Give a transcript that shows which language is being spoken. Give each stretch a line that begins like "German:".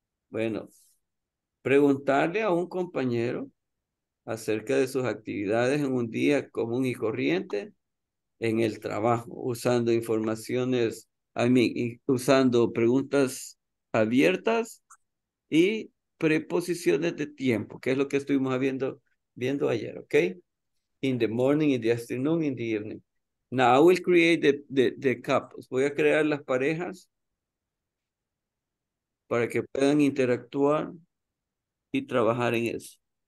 Spanish: Bueno, preguntarle a un compañero acerca de sus actividades en un día común y corriente en el trabajo, usando informaciones, usando preguntas abiertas y preposiciones de tiempo, que es lo que estuvimos viendo ayer, ¿ok?
English: In the morning, in the afternoon, in the evening. Now I will create the couples.
Spanish: Voy a crear las parejas para que puedan interactuar y trabajar en eso.